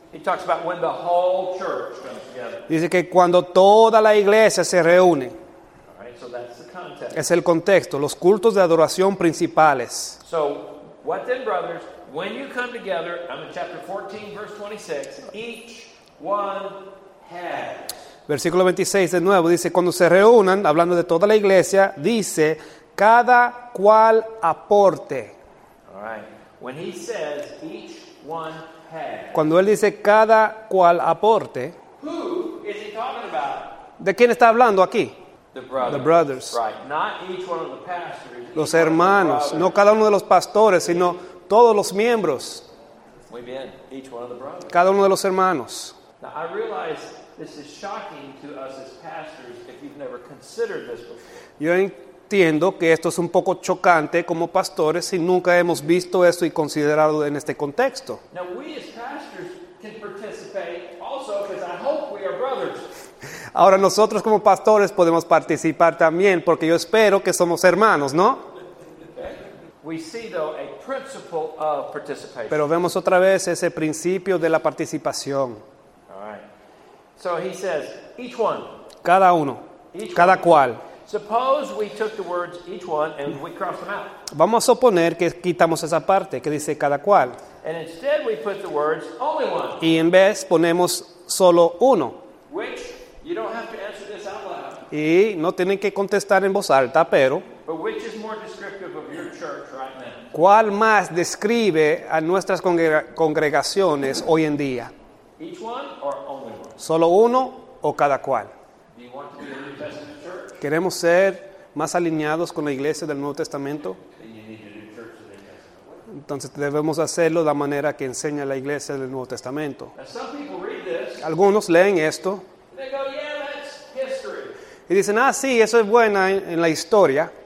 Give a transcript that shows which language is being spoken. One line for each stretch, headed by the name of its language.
English: he talks about when the whole church comes together.
Spanish: Dice que cuando toda la iglesia se reúne.
English: All right, so that's the context.
Spanish: Es el contexto, los cultos de adoración principales.
English: So, what then, brothers, when you come together, I'm in chapter 14, verse 26, each one
Spanish: versículo 26 de nuevo dice, cuando se reúnan, hablando de toda la iglesia, dice, cada cual aporte.
English: All right. When he says, each one has.
Spanish: Cuando él dice cada cual aporte,
English: who is he talking about?
Spanish: ¿De quién está hablando aquí?
English: The brothers. Right. Not each one of the pastors,
Spanish: los hermanos, no cada uno de los pastores, sino todos los miembros. Muy bien.
English: Each one of the brothers.
Spanish: Cada uno de los hermanos.
English: I realize this is shocking to us as pastors if you've never considered this before.
Spanish: Yo entiendo que esto es un poco chocante como pastores si nunca hemos visto esto y considerado en este contexto.
English: Now we as pastors can participate also because I hope we are brothers.
Spanish: Ahora nosotros como pastores podemos participar también porque yo espero que somos hermanos, ¿no?
English: We see though a principle of participation.
Spanish: Pero vemos otra vez ese principio de la participación.
English: So he says, each one.
Spanish: Cada uno.
English: Each
Spanish: cada
English: one.
Spanish: Cual.
English: Suppose we took the words each one and we crossed them out.
Spanish: Vamos a suponer que quitamos esa parte que dice cada cual.
English: And instead we put the words only one.
Spanish: Y en vez ponemos solo uno.
English: Which you don't have to answer this out loud.
Spanish: Y no tienen que contestar en voz alta, pero.
English: But which is more descriptive of your church right now?
Spanish: ¿Cuál más describe a nuestras congregaciones hoy en día?
English: Each one or only one?
Spanish: ¿Solo uno o cada cual?
English: Do you want to be a New Testament church?
Spanish: ¿Queremos ser más alineados con la iglesia del Nuevo Testamento?
English: Then you need to do church the New Testament.
Spanish: Entonces debemos hacerlo de la manera que enseña la iglesia del Nuevo Testamento.
English: Now, some people read this,
Spanish: algunos leen esto.
English: They go, yeah, that's history.
Spanish: Y dicen, ah, sí, eso es buena en la historia.